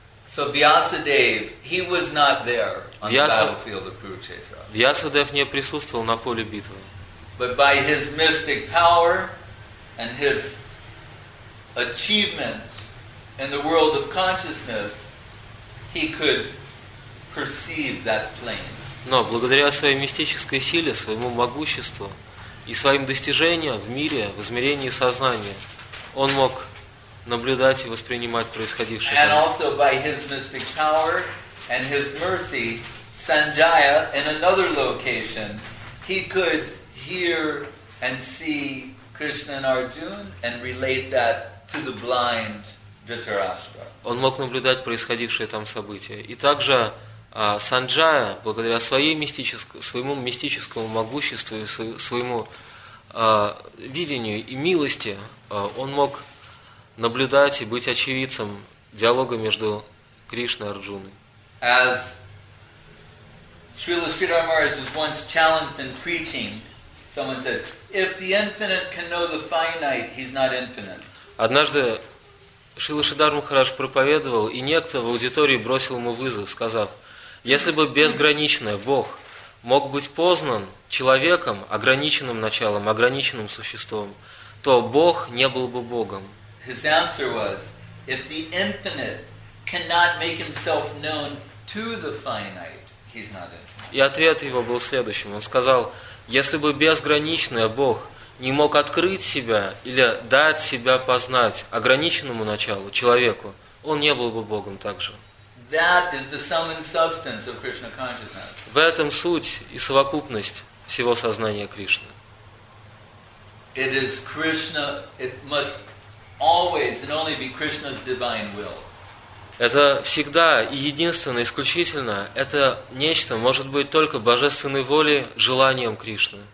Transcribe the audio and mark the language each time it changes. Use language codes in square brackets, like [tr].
[en] So Vyasadev, he was not there on the battlefield of Kurukshetra. [ru] Vyasadev не присутствовал на поле битвы. [en] But by his mystic power and his achievement in the world of consciousness, he could perceive that plane. [ru] Но благодаря своей мистической силе, своему могуществу и своим достижениям в мире, в измерении сознания, он мог наблюдать и воспринимать происходившее. [en] And also by his mystic power and his mercy, Sanjaya, in another location, he could hear and see Krishna and Arjuna and relate that to the blind Dhritarashtra. [ru] Он мог наблюдать происходившее там событие. И также Санджая, благодаря своей своему мистическому могуществу и своему видению и милости, он мог наблюдать и быть очевидцем диалога между Кришной и Арджуной. [en] As Srila Sridhar Maharaj was once challenged in preaching, someone said, if the infinite can know the finite, he's not infinite. [ru] Однажды Шрила Шридхар Махарадж проповедовал, и некто в аудитории бросил ему вызов, сказав, если бы безграничный Бог мог быть познан человеком, ограниченным началом, ограниченным существом, то Бог не был бы Богом. [en] His answer was, if the infinite cannot make himself known to the finite, he's not infinite. [ru] И ответ его был следующим. Он сказал, если бы безграничный Бог не мог открыть себя или дать себя познать ограниченному началу, человеку, он не был бы Богом также. [en] That is the sum and substance of Krishna consciousness. [ru] В этом суть и совокупность всего сознания Кришны. [en] It is Krishna, it must always and only be Krishna's divine will. [ru] Это всегда и единственно, исключительно, это нечто может быть только божественной волей, желанием Кришны.